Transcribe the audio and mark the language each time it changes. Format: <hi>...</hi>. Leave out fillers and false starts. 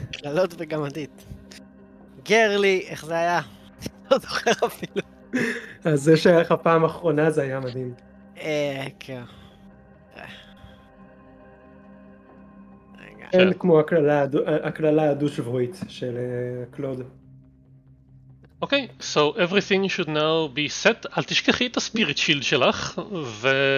<he>קללות וגמדית. גרלי, איך זה היה? לא זוכר אפילו. אז זה שהיה לך פעם אחרונה זה היה מדהים. אה, כן. אין כמו הקללה הדו-שבועית של קלוד.</he> <en>אוקיי, so everything should now be set.</en> <he>אל תשכחי את הספיריט שילד שלך, ו...</he>